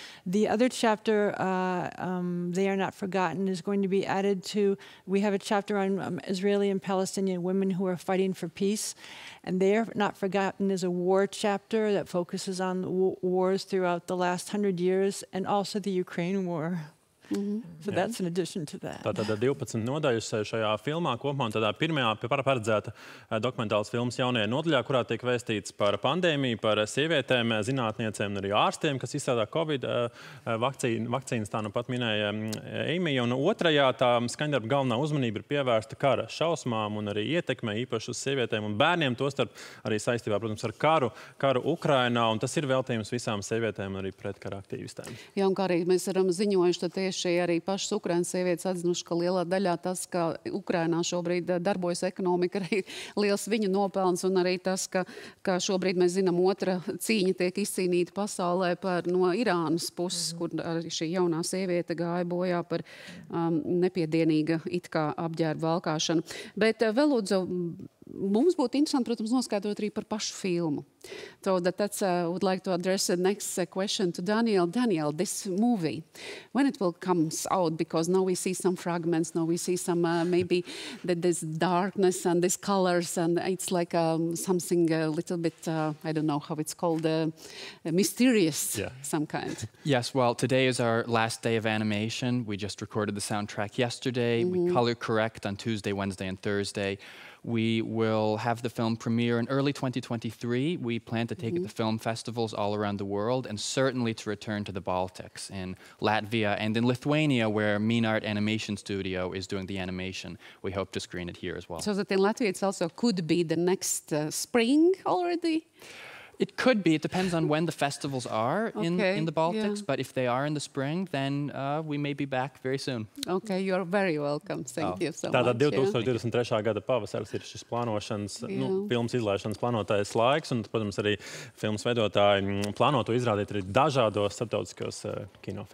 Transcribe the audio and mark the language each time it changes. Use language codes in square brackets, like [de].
[en] The other chapter, They Are Not Forgotten, is going to be added to, we have a chapter on Israeli and Palestinian women who are fighting for peace. And They Are Not Forgotten is a war chapter that focuses on wars throughout the last 100 years and also the Ukraine war. Mm-hmm. So that's an addition to that. [lv] Tātad 12 nodaļas šajā filmā kopumā, tādā pirmajā paredzēta dokumentāls films jaunajā nodaļā, kurā tiek vēstīts par pandēmiju, par sievietēm, zinātniecēm un arī ārstiem, kas izstrādā Covid vakcīnas, tā nu pat minēja Eimija. Un otrajā tā skaņdarba galvenā uzmanība ir pievērsta kara šausmām un arī ietekmē īpaši uz sievietēm un bērniem, tostarp arī saistībā, protams, ar karu Ukrainā, un tas ir veltījums visām sievietēm un arī pretkara aktīvistēm. Jā, un kā arī mēs varam ziņojuši, tieši arī pašas Ukrainas sievietes atzinuši, ka lielā daļā tas, ka Ukrainā šobrīd darbojas ekonomika, arī liels viņu nopelns un arī tas, ka šobrīd mēs zinām, otra cīņa tiek izcīnīta pasaulē par no Irānas puses, kur arī šī jaunā sieviete gāja bojā par nepiedienīga it kā apģērba valkāšana. Bet vēl lūdzu, mums būtu interesanti, protams, noskaidrot arī par pašu filmu. [en] So that's would like to address the next question to Daniel. Daniel, this movie, when it will comes out? Because now we see some fragments. Now we see some maybe that this darkness and these colors and it's like something a little bit I don't know how it's called mysterious some kind. Yes. Well, today is our last day of animation. We just recorded the soundtrack yesterday. Mm-hmm. We color correct on Tuesday, Wednesday, and Thursday. We will have the film premiere in early 2023. We plan to take it to film festivals all around the world and certainly to return to the Baltics in Latvia and in Lithuania, where Minart Animation Studio is doing the animation. We hope to screen it here as well. So that in Latvia it also could be the next spring already? It could be. It depends on when the festivals are in the Baltics. Yeah. But if they are in the spring, then we may be back very soon. Okay, you are very welcome. Thank you so much. [lv] Tātad 2023. Gada pavasaris ir šis plānošanas, nu, filmas izlaišanas plānotais laiks. Un, protams, arī filmas veidotāji plāno to izrādīt arī dažādos starptautiskos kinofestivālos.